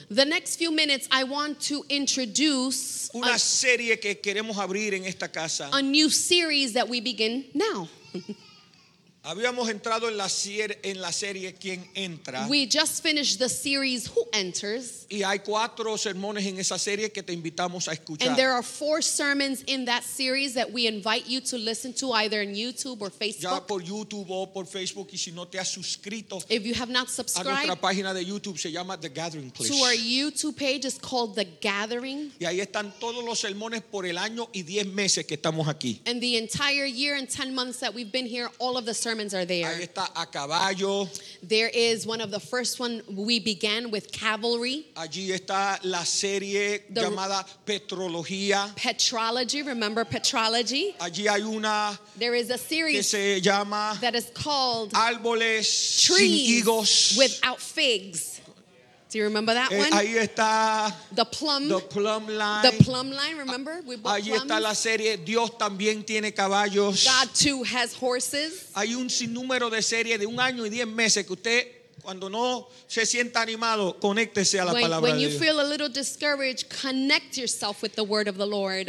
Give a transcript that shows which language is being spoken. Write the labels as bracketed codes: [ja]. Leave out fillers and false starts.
[en] The next few minutes I want to introduce [es] una serie que queremos abrir en esta casa. [en] A new series that we begin now. [es] Habíamos entrado en la serie ¿Quién entra? [en] We just finished the series Who Enters. [es] Y hay cuatro sermones en esa serie que te invitamos a escuchar. [en] And there are four sermons in that series that we invite you to listen to either on YouTube or Facebook. [es] Ya por YouTube o por Facebook, y si no te has suscrito. [en] If you have not subscribed. [es] A nuestra página de YouTube, se llama The Gathering Place. [en] To our YouTube page, it's called The Gathering. [es] Y ahí están todos los sermones por el año y 10 meses que estamos aquí. [en] And the entire year and 10 months that we've been here, all of the sermons are there. [es] Ahí está A Caballo. [en] There is one of the first one we began with, Cavalry. [es] Allí está la serie llamada Petrología. [en] Petrology, remember Petrology? [es] Allí hay una. [en] There is a series [es] que se llama [en] that is called [es] Árboles [en] Trees [es] sin Higos. [en] Without Figs. Do you remember that one? [es] Ahí está [en] The Plum Line. Remember? We bought plums. [es] Ahí está la serie Dios también tiene caballos. [en] God too has horses. [es] Hay un sinnúmero de series de un año y diez meses que usted, cuando no se sienta animado, conéctese a la palabra de Dios. [en] When you feel a little discouraged, connect yourself with the word of the Lord.